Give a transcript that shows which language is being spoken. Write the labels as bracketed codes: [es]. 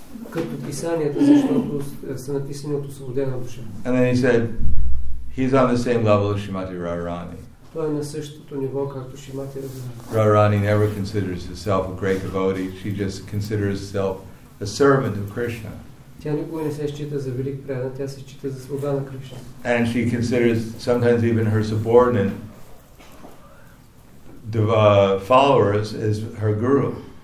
[bg] Като писанията, защото са написани от освободена душа. [en] And then he said, he's on the same level as Srimati Radharani. [bg] Той е на същото ниво, както Шимати Радхарани. [en] Радхарани never considers herself a great devotee. She just considers herself a servant of Krishna. [bg] Тя никога не се счита за велик предан, тя се счита за слуга на Кришна. [en] And she considers sometimes even her subordinate followers as her guru.